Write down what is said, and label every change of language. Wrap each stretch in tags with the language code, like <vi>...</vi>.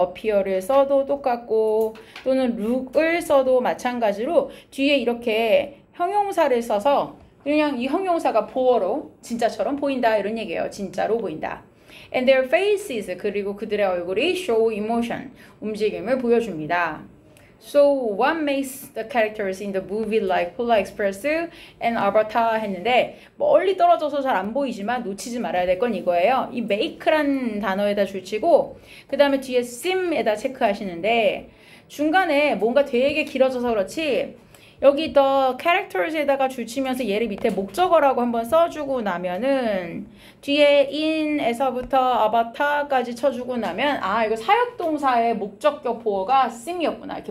<ko>appear을 써도 똑같고 또는 look을 써도 마찬가지로 뒤에 이렇게 형용사를 써서 그냥 이 형용사가 보어로 진짜처럼 보인다 이런 얘기예요. 진짜로 보인다.</ko> <en>And their faces,</en> <ko>그리고 그들의 얼굴이</ko> <en>show emotion,</en> <ko>움직임을 보여줍니다.</ko> <en>So, what makes the characters in the movie like Polar Express and Avatar</en> <ko>했는데, 멀리 떨어져서 잘안 보이지만 놓치지 말아야 될건 이거예요. 이 make란 단어에다 줄치고, 그 다음에 뒤에 seem에다 체크하시는데, 중간에 뭔가 되게 길어져서 그렇지, 여기 the characters에다가 줄치면서 얘를 밑에 목적어라고 한번 써주고 나면은, 뒤에 in에서부터 avatar까지 쳐주고 나면, 아, 이거 사역동사의 목적격 보어가 sim이었구나.</ko>